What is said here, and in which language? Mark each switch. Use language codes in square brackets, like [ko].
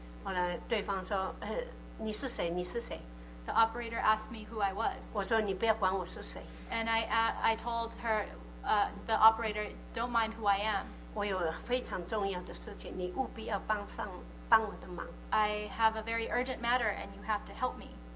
[zh] 后来对方说, 你是谁, 你是谁? [en] The operator asked me who I was. [zh] 我说你不要管我是谁。 [en] And I told her, the operator, don't mind who I am. [zh] 我有非常重要的事情, 你务必要帮上。帮我的忙, [en] I have a very urgent matter and you have to help me.